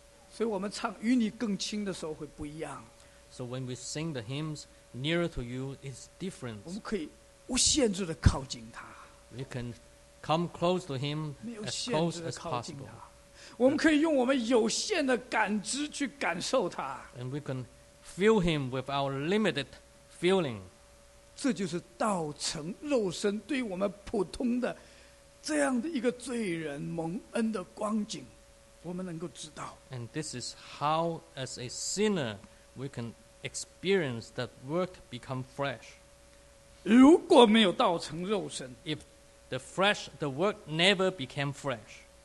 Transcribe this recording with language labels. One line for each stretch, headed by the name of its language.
Chinese: 所以我们唱与你更亲的时候会不一样,
English: so when we sing the hymns nearer to you, it's different.
Chinese: 我们可以无限制地靠近他,
English: we can come close to him as close as possible.
Chinese: 我们可以用我们有限的感知去感受他,
English: and we can feel him with our limited feeling.
Chinese: 这就是道成肉身对我们普通的这样的一个罪人蒙恩的光景, 我们能够知道,
English: and this is how as a sinner we can experience that word become flesh.
Chinese: 如果没有道成肉身,
English: if the flesh, the word never became flesh,